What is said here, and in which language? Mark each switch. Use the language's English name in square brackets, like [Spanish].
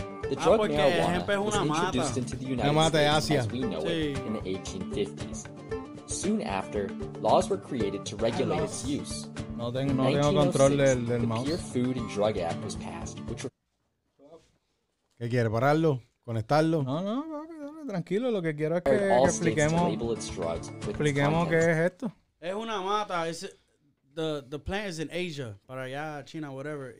[English] The drug marijuana was introduced into the United States as we know it in the 1850s. Soon after, laws were created to regulate its use. [Spanish] No tengo, no tengo control del, del mouse. [English] The Pure Food and Drug Act was passed, which were... [Spanish] ¿Qué quiere, pararlo? ¿Conectarlo? No, no, papi, dale, tranquilo. Lo que quiero es que expliquemos, qué es esto. Es una mata. [English] Es, the plant is in Asia, [Spanish] para allá, [English] China, whatever.